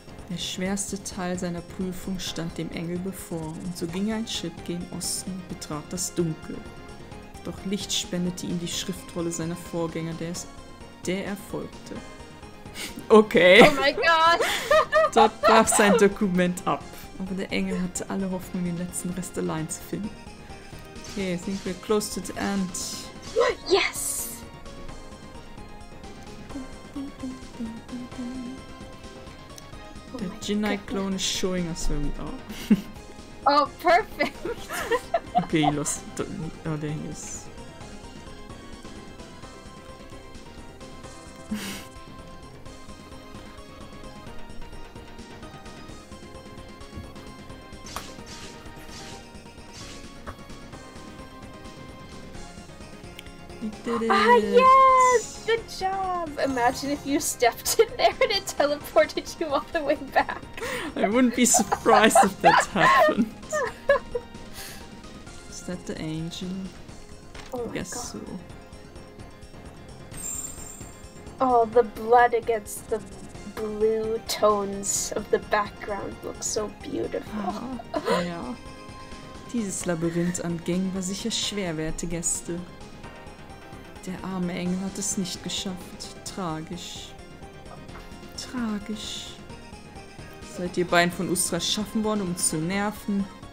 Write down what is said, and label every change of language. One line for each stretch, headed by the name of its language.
German: Der schwerste Teil seiner Prüfung stand dem Engel bevor, und so ging er ein Schritt gen Osten und betrat das Dunkel. Doch Licht spendete ihm die Schriftrolle seiner Vorgänger, der er folgte. Okay. Oh mein Gott. Dort brach sein Dokument ab. Aber der Engel hatte alle Hoffnung, den letzten Rest allein zu finden.
English: Okay, I think we're close to the end. Yes! The Jinnai clone is showing us where we are. Oh, perfect! Okay, he lost. Oh, there he is. Ah, yes! Good job! Imagine if you stepped in there and it teleported you all the way back. I wouldn't be surprised if that happened. Is that the angel? Oh, I guess so. Oh, the blood against the blue tones of the background looks so beautiful.
German: Ah, ja. Dieses Labyrinth an Gängen war sicher schwer, werte Gäste. Der arme Engel hat es nicht geschafft. Tragisch. Tragisch. Seid ihr beiden von Ustra erschaffen worden, um zu nerven?